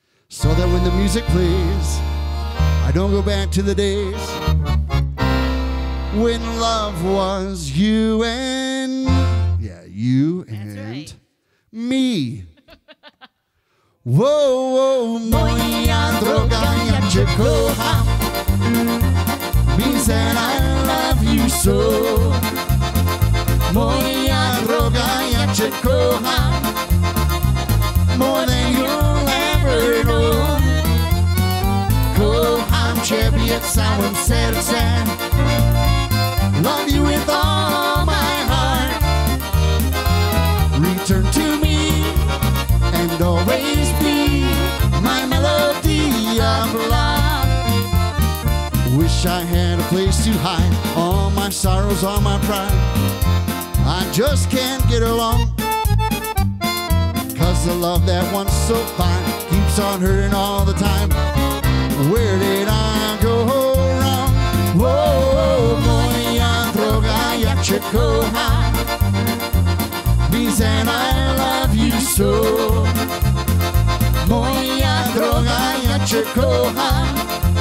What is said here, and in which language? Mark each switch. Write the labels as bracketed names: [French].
[English] So that when the music plays, I don't go back to the days when love was you and, yeah, you. That's and right. Me. [Polish] Whoa, whoa, moja droga, ja cię kocham. [English] Means that I love you so. [Polish] Moja droga, ja cię kocham. [English] More than you'll ever know. [Polish] Kocham ciebie całym sercem. [English] Love you with all my heart. Return to me and always be my melody of love. Wish I had a place to hide all my sorrows, all my pride. I just can't get along. Cause the love that once so fine keeps on hurting all the time. Where did I go wrong? [Polish] Whoa, moja droga, ja cię kocham. [English] Means that I love you so. [Polish] Moja droga, ja cię kocham.